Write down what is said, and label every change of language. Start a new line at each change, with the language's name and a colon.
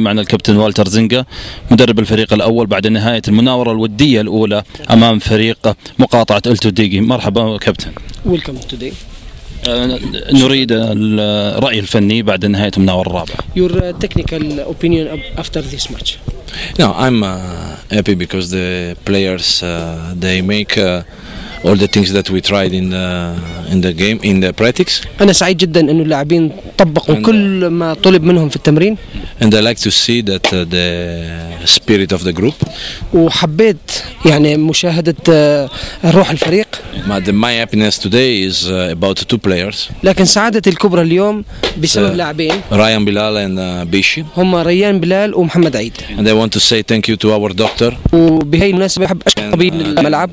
Arabic: معنا الكابتن والتر زنقة مدرب الفريق الأول بعد نهاية المناورة الودية الأولى أمام فريق مقاطعة التوديجي. مرحبا كابتن. ويلكم التودي. نريد الرأي الفني بعد نهاية المناورة الرابعة.
English: Your technical opinion after this match. No, I'm happy because the players they make all the things that we tried in the game in the practice.
Arabic: أنا سعيد جدا إنه اللاعبين طبقوا كل ما طلب منهم في التمرين.
English: And I like to see that the spirit of the group.
Arabic: وحبيت يعني مشاهدة روح الفريق.
English: My happiness today is about two players.
Arabic: لكن سعادتي الكبرى اليوم بسبب لاعبين.
English: Ryan Bilal and Bishi.
Arabic: هما ريان بلال ومحمد عيد.
English: And I want to say thank you to our doctor.
Arabic: وبهي المناسبة أحب أشكر طبيب الملعب.